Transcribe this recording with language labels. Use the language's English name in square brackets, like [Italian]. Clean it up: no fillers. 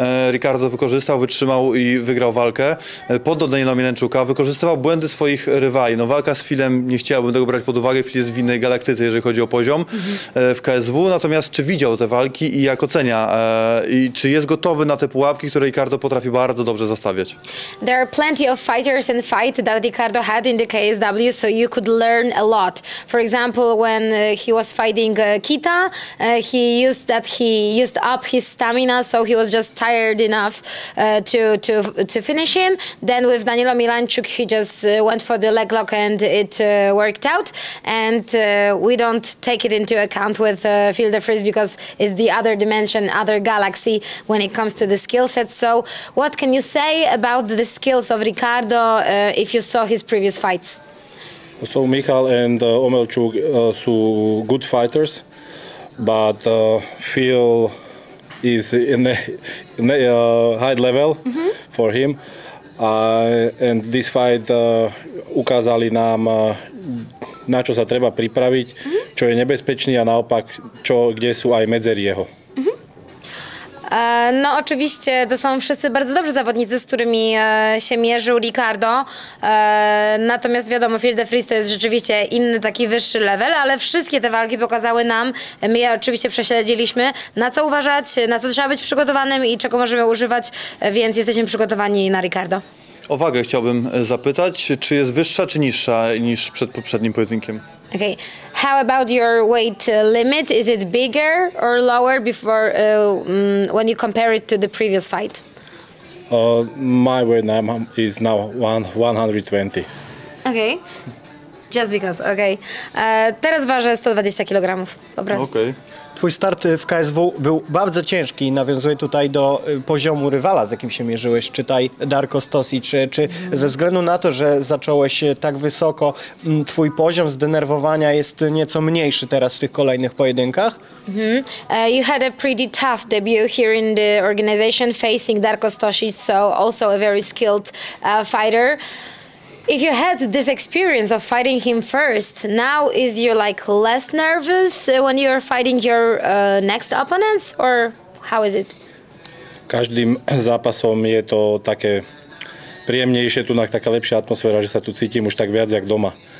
[Polish] Ricardo wykorzystał, wytrzymał i wygrał walkę pod Danielem Milańczuka. Wykorzystywał błędy swoich rywali. No, walka z Filem nie chciałbym tego brać pod uwagę. Fil jest w innej galaktyce, jeżeli chodzi o poziom w KSW. Natomiast czy widział te walki i jak ocenia? I czy jest gotowy na te pułapki, które Ricardo potrafi bardzo dobrze zastawiać? [English] There are plenty of fighters and fight that Ricardo had in the KSW, so you could learn a lot. For example, when he was fighting Kita, he used up his stamina, so he was just tired enough to finish him. Then with Danilo Milanchuk, he just went for the leg lock and it worked out. And we don't take it into account with Phil de Vries because it's the other dimension, other galaxy when it comes to the skill set. So what can you say about the skills of Ricardo if you saw his previous fights? So Michal and Omelchuk are good fighters, but Phil is in a high level for him. And this fight [Slovak] ukázali nám, na čo sa treba pripraviť, čo je nebezpečný a naopak, kde sú aj medzery jeho. [Polish] No oczywiście, to są wszyscy bardzo dobrzy zawodnicy, z którymi się mierzył Ricardo. Natomiast wiadomo, Field of Freeze to jest rzeczywiście inny, taki wyższy level, ale wszystkie te walki pokazały nam, my je oczywiście prześledziliśmy, na co uważać, na co trzeba być przygotowanym i czego możemy używać, więc jesteśmy przygotowani na Ricardo. O wagę chciałbym zapytać, czy jest wyższa czy niższa niż przed poprzednim pojedynkiem? [English] Okay, how about your weight limit? Is it bigger or lower before when you compare it to the previous fight? My weight now is now 120. Okay, just because. [Polish] Okay, teraz ważę 120 kg po prostu. Okay. Twój start w KSW był bardzo ciężki, nawiązuje tutaj do poziomu rywala, z jakim się mierzyłeś, czytaj Darko Stosi, czy ze względu na to, że zacząłeś tak wysoko, twój poziom zdenerwowania jest nieco mniejszy teraz w tych kolejnych pojedynkach? Mm-hmm. [English] You had a pretty tough debut here in the organization facing Darko Stosi, so also a very skilled fighter. If you had this experience of fighting him first, now is you like less nervous when you're fighting your next opponents, or how is it? [Slovak] Każdym zápasom je to také príjemnejšie, tu na taká lepšia atmosféra, že sa tu cítim už tak viac jak doma.